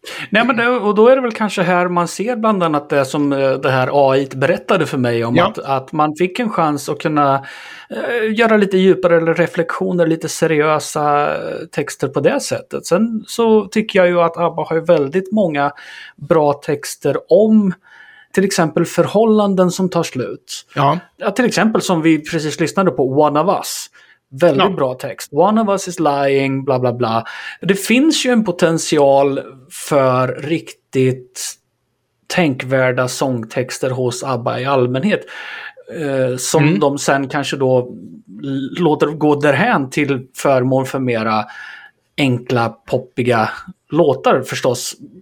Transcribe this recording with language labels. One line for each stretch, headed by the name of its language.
Swedish: Nej, men det, och då är det väl kanske här man ser bland annat det som det här AI berättade för mig om, att man fick en chans att kunna göra lite djupare reflektioner, lite seriösa texter på det sättet. Sen så tycker jag ju att ABBA har väldigt många bra texter om till exempel förhållanden som tar slut. Ja, till exempel som vi precis lyssnade på, One of Us. Väldigt bra text.
English: One of us is lying, bla bla bla.
Swedish: Det finns ju en potential för riktigt tänkvärda sångtexter hos ABBA i allmänhet. Som de sen kanske då låter gå därhän till förmån för mera enkla, poppiga låtar förstås.